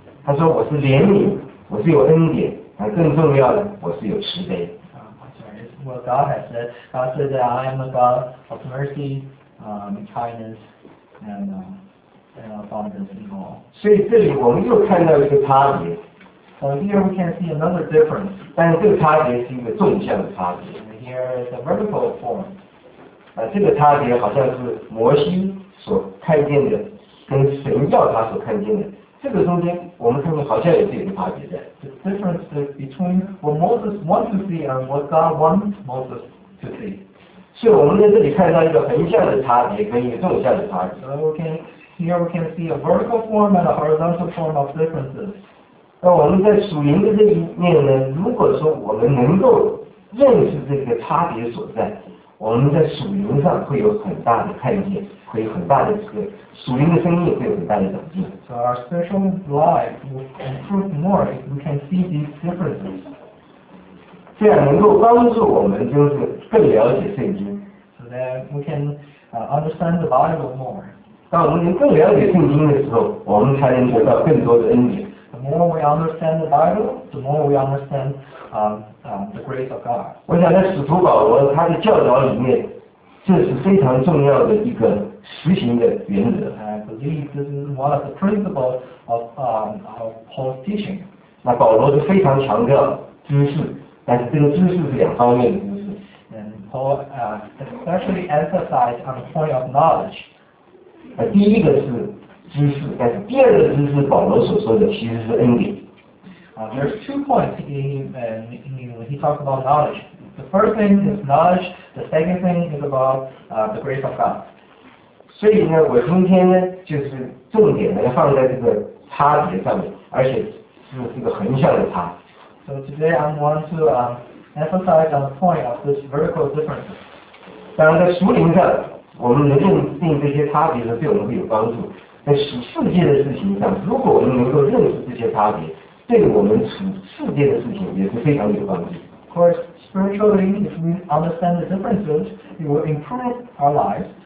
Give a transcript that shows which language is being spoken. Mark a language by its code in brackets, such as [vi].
[zh] 他说我是怜悯，我是有恩典，而更重要的，我是有慈悲。 [en] Well, God has said, God said that I am a God of mercy, kindness, and abundance and all. [zh] 所以这里我们又看到一个差别。 [en] So here we can see another difference. [zh] 但是这个差别是一个纵向的差别。 [en] And here is a vertical form. [zh] 这个差别好像是摩西所看见的，跟神要他所看见的。这个中间，我们看到好像有这个差别在。 [en] The difference is between what Moses wants to see and what God wants Moses to see. [zh] 所以我们在这里看到一个横向的差别跟一个纵向的差别。 [en] So here we can see a vertical form and a horizontal form of differences. [zh] 那我们在属灵的这一面呢，如果说我们能够认识这个差别所在，我们在属灵上会有很大的看见，会有很大的这个属灵的生命会有很大的长进。 [en] So our spiritual life will improve more if we can see these differences. [zh] 这样能够帮助我们就是更了解圣经。 [en] So that we can understand the Bible more. [zh] 当我们能更了解圣经的时候，我们才能得到更多的恩典。 [en] The more we understand the Bible, the more we understand the grace of God. [zh] 我想在使徒保罗他的教导里面，这是非常重要的一个实行的原则。 [en] I believe this is one of the principles of Paul's teaching. [zh] 那保罗是非常强调知识，但是这个知识是两方面的知识。 [en] And Paul especially emphasized on the point of knowledge. [zh] 第一个是知识，但是第二个知识，保罗所说的其实是恩典。 [en] There's two points in when he talks about knowledge. The first thing is knowledge. The second thing is about the grace of God. [zh] 所以呢，我今天呢，就是重点呢放在这个差别上面，而且是这个横向的差。 [en] So today I want to emphasize on the point of this vertical difference. [zh] 当然，在属灵上，我们能认定这些差别呢，对我们会有帮助。在属世界的事情上，如果我们能够认识这些差别，对我们处世界的事情也是非常有帮助。 [en] Of course, spiritually, if we understand the differences, it will improve our lives.